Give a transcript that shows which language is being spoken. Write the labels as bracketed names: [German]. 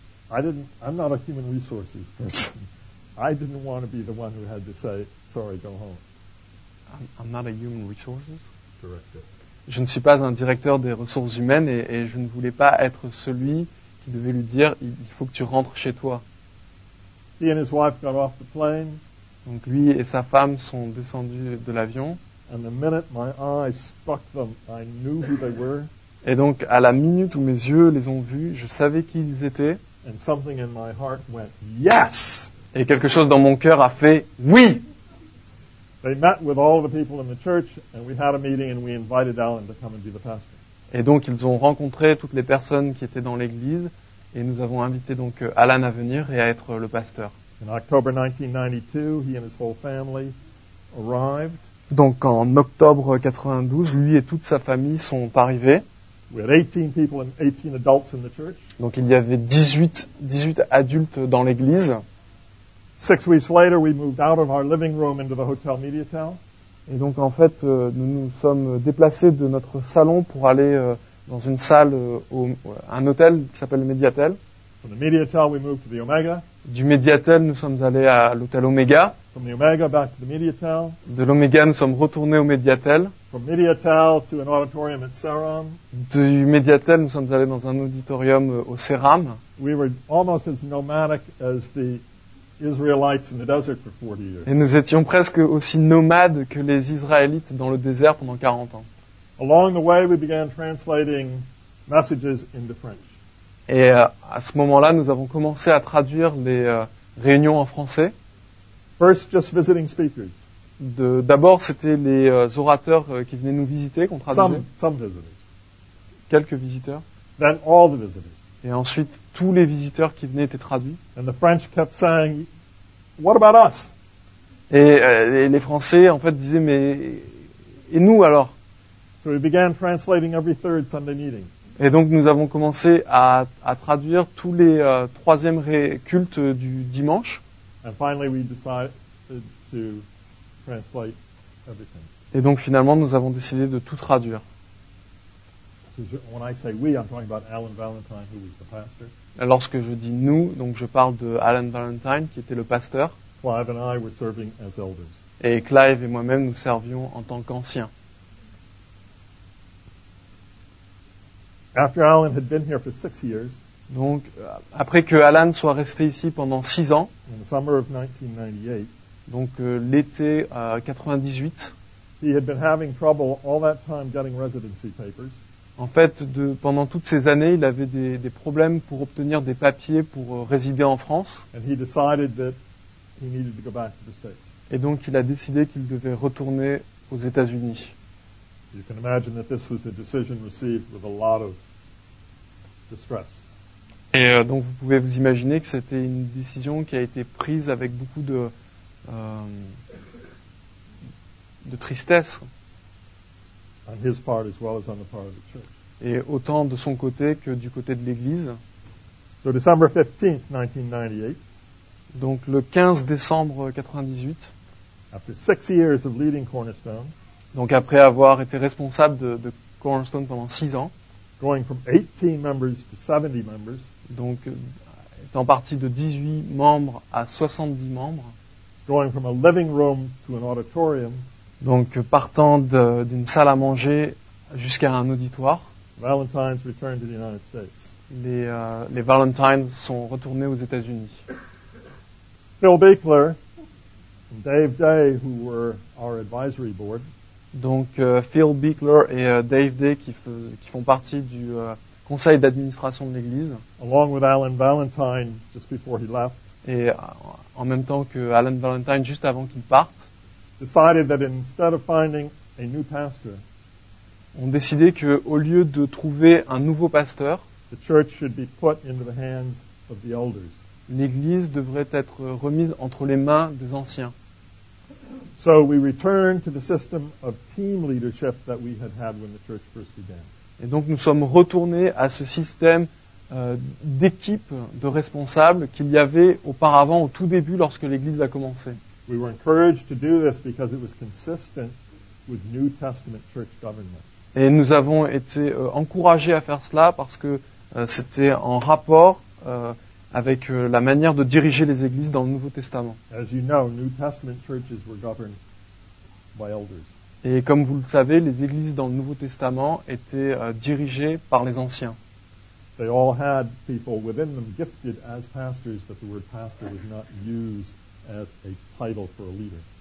[English] I'm not a human resources person. I didn't want to be the one who had to say, sorry, go home. I'm not a human resources director. [French] Je ne suis pas un directeur des ressources humaines et je ne voulais pas être celui qui devait lui dire, il faut que tu rentres chez toi. [English] He and his wife got off the plane. [French] Donc lui et sa femme sont descendus de l'avion. [English] And the minute my eyes struck them, I knew who they were. [French] Et donc à la minute où mes yeux les ont vus, je savais qui ils étaient. [English] And something in my heart went, yes! [French] Et quelque chose dans mon cœur a fait oui. [English] They met with all the people in the church and we had a meeting and we invited Alan to come and be the pastor. [French] Et donc ils ont rencontré toutes les personnes qui étaient dans l'église. Et nous avons invité donc Alan à venir et à être le pasteur. [English] In October 1992, he and his whole family arrived. [French] Donc en octobre 92, lui et toute sa famille sont arrivés. [English] We had 18 people and 18 adults in the church. [French] Donc il y avait 18 adultes dans l'église. [English] 6 weeks later, we moved out of our living room into the hotel MediaTel. [French] Et donc en fait, nous nous sommes déplacés de notre salon pour aller dans une salle, un hôtel qui s'appelle le MediaTel. [English] From the MediaTel, we moved to the Omega. [French] Du MediaTel, nous sommes allés à l'hôtel Omega. [English] From the Omega back to the MediaTel. [French] De l'Omega, nous sommes retournés au MediaTel. [English] From MediaTel to an auditorium at Ceram. [French] Du MediaTel, nous sommes allés dans un auditorium au Ceram. [English] We were almost as nomadic as the Israelites in the desert for 40 years. [French] Et nous étions presque aussi nomades que les Israélites dans le désert pendant 40 ans. [English] Along the way, we began translating messages into French. [French] Et à ce moment-là, nous avons commencé à traduire les réunions en français. [English] First, just visiting speakers. [French] D'abord, c'était les orateurs qui venaient nous visiter, qu'on traduisait. [English] Some visitors. [French] Quelques visiteurs. [English] Then all the visitors. [French] Et ensuite, tous les visiteurs qui venaient étaient traduits. [English] And the French kept saying, what about us? [French] Et les Français, en fait, disaient, mais et nous alors? [English] So we began translating every third Sunday meeting. [French] Et donc nous avons commencé à traduire tous les troisièmes cultes du dimanche. [English] And finally we decided to translate everything. [French] Et donc finalement nous avons décidé de tout traduire. [English] When I say we, I'm talking about Alan Valentine, who was the pastor. [French] Lorsque je dis nous, donc je parle de Alan Valentine, qui était le pasteur. [English] Clive and I were serving as elders. [French] Et Clive et moi-même, nous servions en tant qu'anciens. [English] After Alan had been here for 6 years, [French] donc, après que Alan soit resté ici pendant 6 ans, [English] in the summer of 1998, [French] donc l'été 98, [English] he had been having trouble all that time getting residency papers. [French] En fait, pendant toutes ces années, il avait des problèmes pour obtenir des papiers pour résider en France. [English] And he decided that he needed to go back to the States. [French] Et donc, il a décidé qu'il devait retourner aux États-Unis. [English] You can imagine that this was a decision received with a lot of distress. [French] Et donc, vous pouvez vous imaginer que c'était une décision qui a été prise avec beaucoup de tristesse. [English] On his part as well as on the part of the church. [French] Et autant de son côté que du côté de l'église. [English] So December 15th, 1998. [French] Donc le 15 décembre 98. [English] After 6 years of leading Cornerstone. [French] Donc après avoir été responsable de Cornerstone pendant 6 ans. [English] Going from 18 members to 70 members. [French] Donc étant parti de 18 membres à 70 membres. [English] Going from a living room to an auditorium. [French] Donc, partant d'une salle à manger jusqu'à un auditoire, [English] Valentine's returned to the United States. [French] Les Valentines sont retournés aux États-Unis. [English] Phil Beekler et Dave Day, who were our advisory board. [French] Donc, Phil Beekler et Dave Day, qui font partie du conseil d'administration de l'Église. [English] Along with Alan Valentine, just before he left. [French] Et en même temps que Alan Valentine, juste avant qu'il parte. [English] Decided that instead of finding a new pastor, [French] on décidait que au lieu de trouver un nouveau pasteur, [English] the church should be put into the hands of the elders. [French] L'église devrait être remise entre les mains des anciens. [English] So we returned to the system of team leadership that we had had when the church first began. [French] Et donc nous sommes retournés à ce système d'équipe de responsables qu'il y avait auparavant au tout début lorsque l'église a commencé. [English] We were encouraged to do this because it was consistent with New Testament church government. [French] Et nous avons été encouragés à faire cela parce que c'était en rapport avec la manière de diriger les églises dans le Nouveau Testament. [English] As you know, New Testament churches were governed by elders. [French] Et comme vous le savez, les églises dans le Nouveau Testament étaient dirigées par les anciens. [English] They all had people within them gifted as pastors, but the word pastor was not used as a title for a leader.